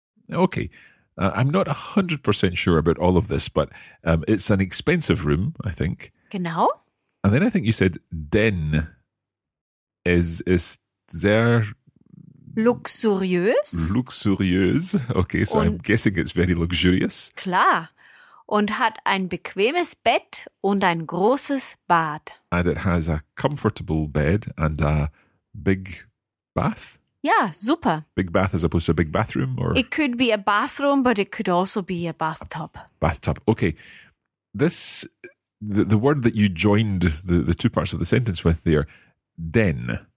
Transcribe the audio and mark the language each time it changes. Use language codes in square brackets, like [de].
[en] Okay, I'm not 100% sure about all of this, but it's an expensive room, I think. [de] Genau. [en] And then I think you said [de] den is sehr luxuriös. Luxuriös. [en] Okay, so I'm guessing it's very luxurious. [de] Klar. Und hat ein bequemes Bett und ein großes Bad. [en] And it has a comfortable bed and a big bath. [de] Ja, super. [en] Big bath as opposed to a big bathroom? Or? It could be a bathroom, but it could also be a bathtub. Bathtub. Okay. This, the word that you joined the two parts of the sentence with there, den.